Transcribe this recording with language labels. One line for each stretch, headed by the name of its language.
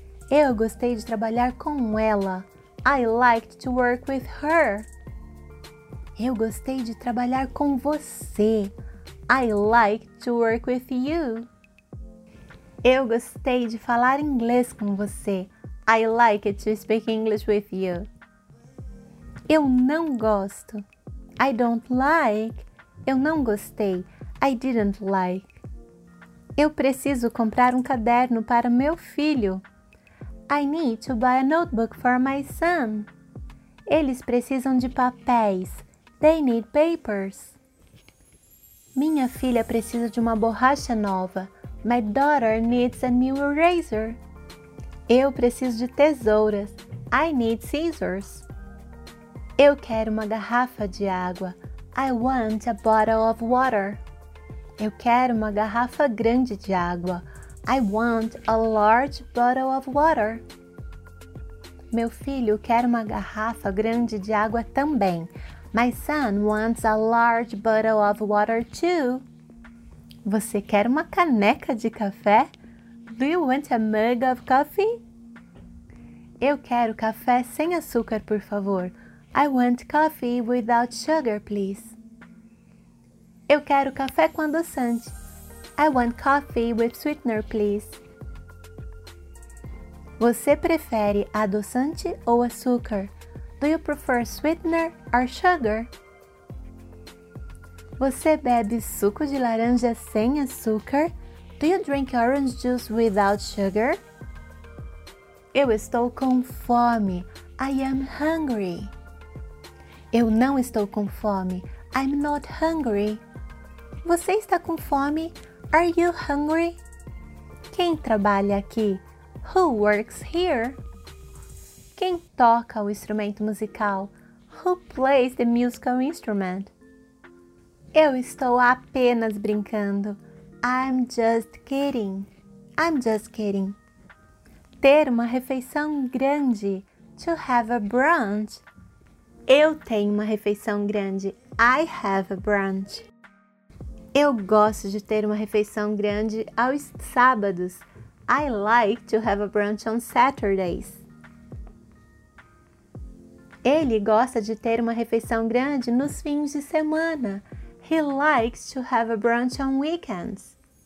Portuguese: Eu gostei de trabalhar com ela.
English: I liked to work with her.
Portuguese: Eu gostei de trabalhar com você.
English: I liked to work with you.
Portuguese: Eu gostei de falar inglês com você.
English: I like it to speak English with you.
Portuguese: Eu não gosto.
English: I don't like.
Portuguese: Eu não gostei.
English: I didn't like.
Portuguese: Eu preciso comprar um caderno para meu filho.
English: I need to buy a notebook for my son.
Portuguese: Eles precisam de papéis.
English: They need papers.
Portuguese: Minha filha precisa de uma borracha nova.
English: My daughter needs a new eraser.
Portuguese: Eu preciso de tesouras.
English: I need scissors.
Portuguese: Eu quero uma garrafa de água.
English: I want a bottle of water.
Portuguese: Eu quero uma garrafa grande de água.
English: I want a large bottle of water.
Portuguese: Meu filho quer uma garrafa grande de água também.
English: My son wants a large bottle of water too.
Portuguese: Você quer uma caneca de café?
English: Do you want a mug of coffee?
Portuguese: Eu quero café sem açúcar, por favor.
English: I want coffee without sugar, please.
Portuguese: Eu quero café com adoçante.
English: I want coffee with sweetener, please.
Portuguese: Você prefere adoçante ou açúcar?
English: Do you prefer sweetener or sugar?
Portuguese: Você bebe suco de laranja sem açúcar?
English: Do you drink orange juice without sugar?
Portuguese: Eu estou com fome.
English: I am hungry.
Portuguese: Eu não estou com fome.
English: I'm not hungry.
Portuguese: Você está com fome?
English: Are you hungry?
Portuguese: Quem trabalha aqui?
English: Who works here?
Portuguese: Quem toca o instrumento musical?
English: Who plays the musical instrument?
Portuguese: Eu estou apenas brincando.
English: I'm just kidding. I'm just kidding.
Portuguese: Ter uma refeição grande.
English: To have a brunch.
Portuguese: Eu tenho uma refeição grande.
English: I have a brunch.
Portuguese: Eu gosto de ter uma refeição grande aos sábados.
English: I like to have a brunch on Saturdays.
Portuguese: Ele gosta de ter uma refeição grande nos fins de semana.
English: He likes to have a brunch on weekends.